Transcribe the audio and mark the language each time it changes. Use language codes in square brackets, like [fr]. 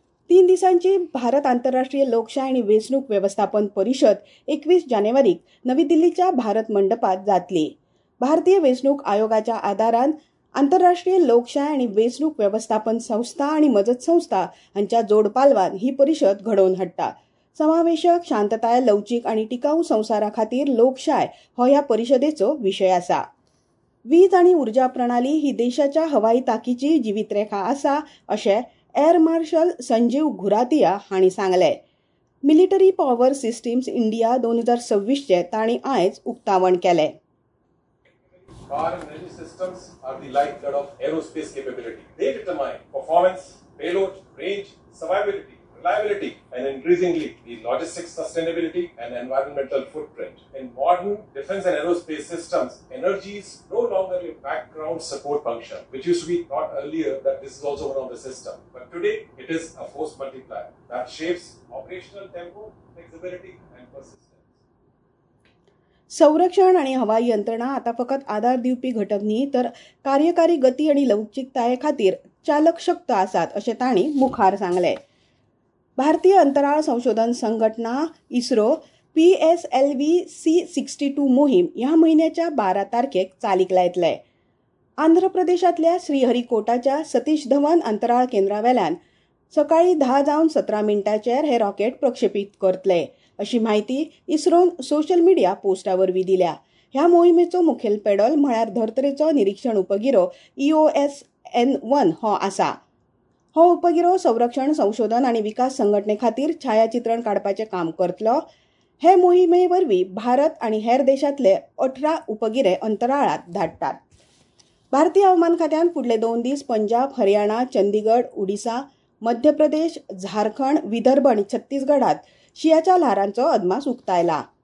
[gom] 3 दिसांची भारत आंतरराष्ट्रीय लोकशाय आणि वेचणूक व्यवस्थापन परिषद 21 जानेवारीक नवी दिल्लीच्या भारत मंडपात जातली. भारतीय वेचणूक आयोगाच्या आधारान आंतरराष्ट्रीय लोकशाय आणि वेचणूक व्यवस्थापन संस्था आणि मजत संस्था हांच्या जोडपालवान ही परिषद घडवून हाडटा. समावेशक, शांतताय, लवचीक आणि टिकाऊ संसारा खातीर लोकशाय हो ह्या परिषदेचो विषय आसा. वीज आणि ऊर्जा प्रणाली ही देशाच्या हवाई ताकीची जिवीतरेखा आसा अशें एअर मार्शल संजीव घुरातिया हांणी सांगले. मिलिटरी पॉवर सिस्टीम्स इंडिया 2026 तांणी आयज उक्तावण केले. [en] Car and energy systems are the lifeblood of aerospace capability. They determine performance, payload, range, survivability, reliability, and increasingly the logistics sustainability and environmental footprint. In modern defense and aerospace systems, energy is no longer a background support function, which used to be thought earlier that this is also one of the system. But today, it is a force multiplier that shapes operational tempo, flexibility, and persistence. [gom] संरक्षण आणि हवाई यंत्रणा आता फकत आधार दिवपी घटक न्ही, तर कार्यकारी गती आणि लवचिकताये खातीर चालक शक्त आसात असे तांणी मुखार सांगले. भारतीय अंतराळ संशोधन संघटना इस्रो PSLV C-62 मोहीम ह्या महिन्याच्या 12 तारखेक चालीक लायतले. आंध्र प्रदेशातल्या श्रीहरिकोटाच्या सतीश धवन अंतराळ केंद्रावेल्यान सकाळी 10:17 हे रॉकेट प्रक्षेपीत करतले अशी माहिती इस्रोन सोशल मीडिया पोस्टावरवी दिल्या. ह्या मोहिमेचो मुखेल पेडल म्हळ्यार धर्तरेचो निरीक्षण उपगिरो EOS-N1 हो आसा. हो उपगिरो संरक्षण संशोधन आणि विकास संघटने खातीर छायाचित्रण काढपाचे काम करतलो. हे मोहिमेवरवी भारत आणि हेर देशातले 18 उपगिरे अंतराळात धाडटात. भारतीय हवामान खात्यान फुडले 2 दीस पंजाब, हरियाणा, चंदीगड, उडिसा, मध्य प्रदेश, झारखंड, विदर्भ आणि छत्तीसगडात शियाच्या ल्हारांचो अदमास उक्तायला.